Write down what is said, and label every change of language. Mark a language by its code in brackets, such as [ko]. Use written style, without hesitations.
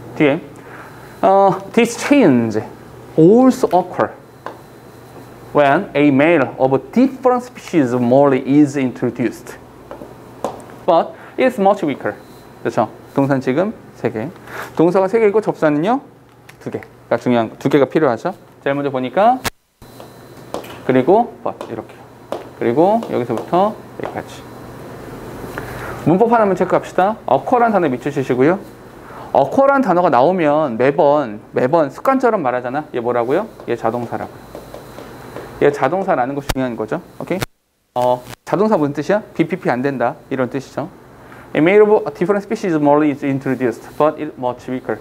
[ko] 뒤에 [en] this change also occur when a male of a different species of molly is introduced. But it's much weaker. [ko] 그렇죠? 동사는 지금 세 개. 동사가 세 개이고 접사는요? 두 개가 중요한 거. 두 개가 필요하죠. 제일 먼저 보니까 그리고 but 이렇게 그리고 여기서부터 여기까지 문법 하나만 체크합시다. occur란 단어 밑줄 치시고요. occur란 단어가 나오면 매번 습관처럼 말하잖아. 얘 뭐라고요? 얘 자동사라고요. 얘 자동사라는 것이 중요한 거죠. 오케이? 자동사 무슨 뜻이야? BPP 안 된다. 이런 뜻이죠. [en] A male of a different species of molly is introduced, but it's much weaker.